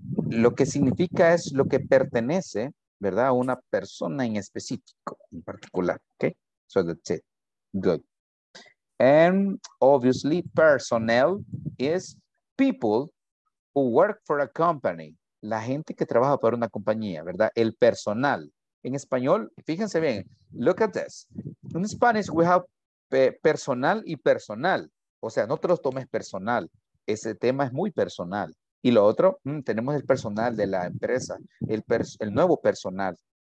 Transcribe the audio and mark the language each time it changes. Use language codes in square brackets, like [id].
[es] Lo que significa es lo que pertenece, ¿verdad? A una persona en específico, en particular. [en] Okay. So that's it. Good. And obviously, personnel is people who work for a company. [es] La gente que trabaja para una compañía, ¿verdad? El personal. En español, fíjense bien. [en] Look at this. In Spanish, we have personal y personal. [es] O sea, no te los tomes personal. Ese tema es muy personal. Y lo otro, tenemos el personal de la empresa. El nuevo personal.